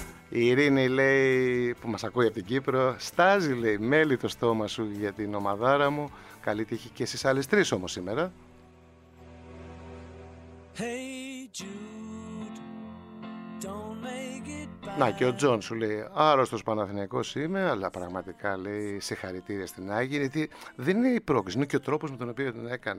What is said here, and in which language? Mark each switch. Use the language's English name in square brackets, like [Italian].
[Greek] Η Ειρήνη λέει, που μας ακούει από την Κύπρο, στάζει λέει μέλη το στόμα σου για την ομαδάρα μου. Καλή τύχη και στις άλλες τρεις όμως σήμερα. [English] Hey Jude, don't make it bad. [Greek] Να και ο Τζον σου λέει, άρρωστος Παναθηναϊκός είμαι, αλλά πραγματικά λέει συγχαρητήρια στην Άγη, γιατί δεν είναι η πρόκληση, είναι και ο τρόπος με τον οποίο την έκανε.